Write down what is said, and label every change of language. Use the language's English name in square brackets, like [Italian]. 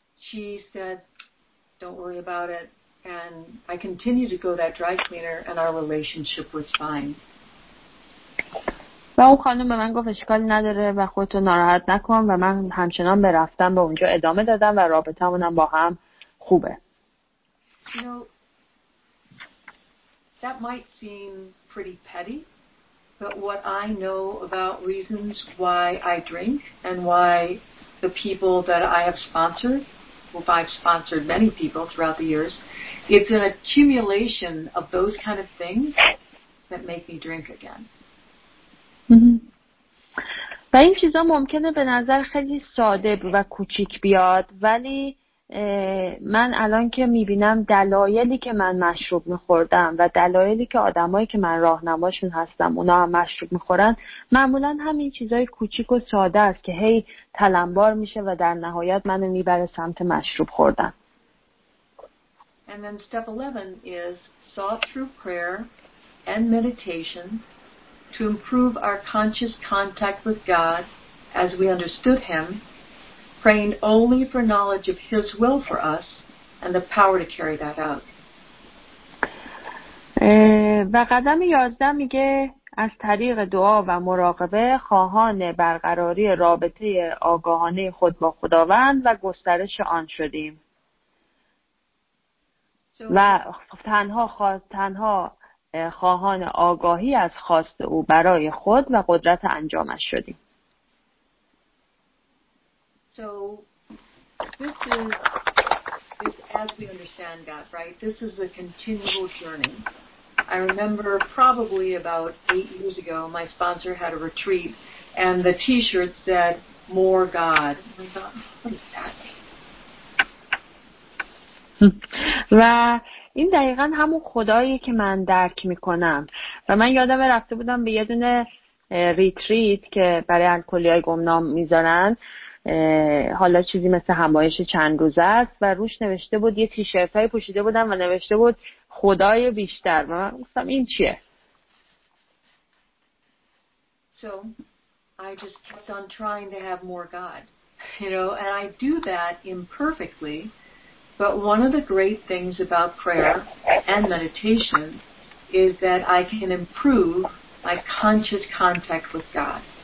[English] She said, "Don't worry about it." And I continued to go that dry cleaner, and our relationship was fine. [Persian] و اون خانم به من گفت اشکالی نداره و خودتو ناراحت نکن و من همچنان به رفتن به اونجا ادامه دادم و رابطه‌مون با هم خوبه. [English] You know, that might seem pretty petty, but what I know about reasons why I drink and why the people that I have sponsored, well, I've sponsored many people throughout the years, it's an accumulation of those kind of things that make me drink again. [Persian] و این چیزا ممکنه به نظر خیلی ساده و کوچیک بیاد، ولی من الان که میبینم دلایلی که من مشروب میخوردم و دلایلی که آدمایی که من راهنماشون هستم اونا هم مشروب میخورن، معمولا همین چیزای کوچیک و ساده است که هی تلمبار میشه و در نهایت منو میبره سمت مشروب خوردن. [English] And then step 11 is sought through prayer and meditation to improve our conscious contact with God as we understood him, praying only for knowledge of his will for us and the power to carry that out. [Persian] و قدم 11 میگه از طریق دعا و مراقبه خواهان برقراری رابطه آگاهانه خود با خداوند و گسترش آن شدیم. و تنها خواهان آگاهی از خواست او برای خود و قدرت انجامش شدیم. [English] So this is as we understand God, right? This is a continual journey. I remember probably about 8 years ago, my sponsor had a retreat, and the T-shirt said "More God." I thought, what is that? [Persian] و این دقیقا همون خدایی که من درک میکنم. و من یادم رفته بودم به یه دونه ریتریت که برای الکلی های گمنام میذارن حالا چیزی مثل همایش چند روزه است و روش نوشته بود، یه تیشرت های پوشیده بودم و نوشته بود خدای بیشتر و من گفتم این چیه؟ [English] So I just kept on trying to have more God, you know, and I do that imperfectly, but one of the great things about prayer and meditation is that I can improve my conscious contact with God.